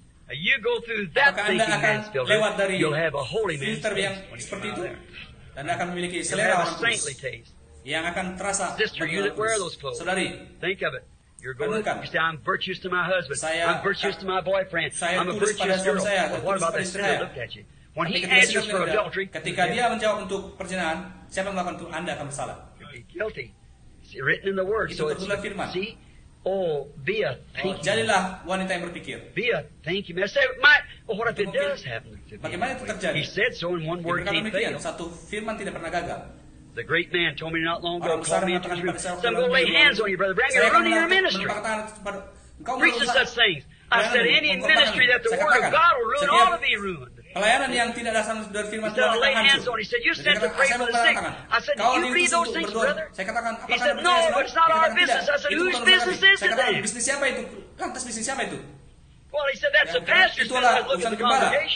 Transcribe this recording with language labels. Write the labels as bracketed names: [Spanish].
[English] You go through that thinking man's filter, you'll have a holy man's filter. [Indonesian] Seperti itu, Anda akan memiliki selera orang kudus yang akan terasa bagi orang kudus. Saudari, [English] think of it. You're going to say, I'm virtuous to my husband. I'm virtuous to my boyfriend. I'm a virtuous girl. What about that sinner looked at you? When he answers for adultery, [Indonesian] ketika dia menjawab untuk perzinahan, siapa yang melakukan itu? Anda akan bersalah. [English] Guilty. It's written in the word. So it's firman. See? Oh, be a thinking. [Indonesian] Oh, jadilah wanita yang berpikir. [English] Be a thinking. I say, what if it does happen? [Indonesian] Bagaimana itu terjadi? [English] He said so in one word. [Indonesian] Satu firman tidak pernah gagal. [English] The great man told me not long ago, called me into his room. So I'm going to lay hands on you, brother. Bring it on to your ministry. Preach such things. I said, any ministry that the word of God will ruin, all will be ruined. [Indonesian] Pelayanan yang tidak dasar dari firman Tuhan akan hancur. [English] Said, you said to pray for the sick. I said, you read those things, brother? [Indonesian] Saya katakan, [English] he said, no, but it's not our business. I said, whose business is it then? [Indonesian] Bisnis siapa itu? Lantas bisnis siapa itu? [English] Well, he said, that's the pastor's business. [Indonesian] Itulah urusan gembala.